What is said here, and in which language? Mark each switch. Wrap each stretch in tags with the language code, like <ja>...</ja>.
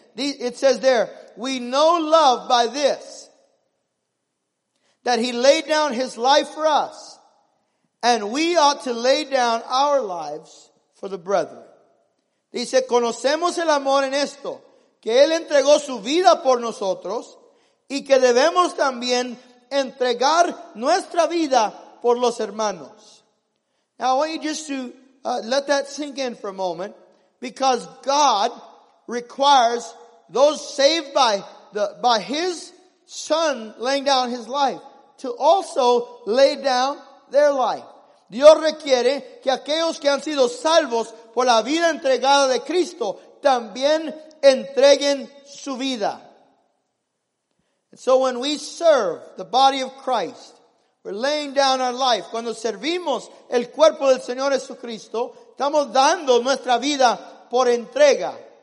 <en>It says there, we know love by this, that He laid down His life for us, and we ought to lay down our lives for the brethren.</en> <es>Dice, conocemos el amor en esto, que Él entregó su vida por nosotros, y que debemos también entregar nuestra vida por los hermanos.</es> <en>Now I want you just to let that sink in for a moment, because God requires those saved by His Son laying down His life to also lay down their life.</en> <es>Dios requiere que aquellos que han sido salvos por la vida entregada de Cristo también entreguen su vida.</es> <en>And so when we serve the body of Christ, we're laying down our life.</en> <es>Cuando servimos el cuerpo del Señor Jesucristo, estamos dando nuestra vida por entrega.</es>